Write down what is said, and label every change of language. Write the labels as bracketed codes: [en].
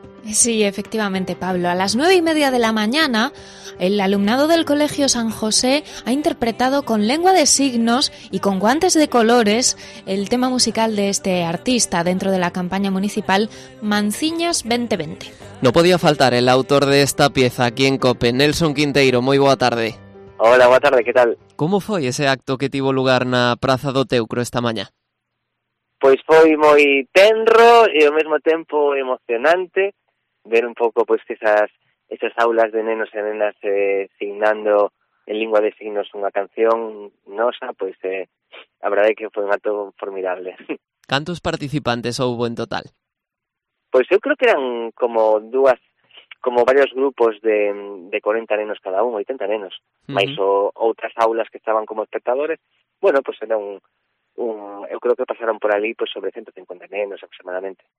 [es] Sí, efectivamente, Pablo. A las 9:30 de la mañana, el alumnado del Colegio San José ha interpretado con lengua de signos y con guantes de colores el tema musical de este artista dentro de la campaña municipal Manciñas 2020. No podía faltar el autor de esta pieza aquí en COPE, Nelson Quinteiro. Muy [gl] boa tarde. Hola, boa tarde, [es] ¿qué tal? [gl] ¿Cómo foi ese acto que tivo lugar na Praza do Teucro esta mañá? Pois foi moi tenro e ao mesmo tempo emocionante ver un pouco pois esas aulas de nenos e nenas signando en lingua de signos unha canción nosa, pois a verdade é que foi un acto formidable. Cantos participantes houbo en total? Pois eu creo que eran como dúas como varios grupos de 40 nenos cada uno, 80 nenos, máis outras aulas que estaban como espectadores. Bueno, pues era eu creo que pasaron por ali pues sobre 150 nenos aproximadamente.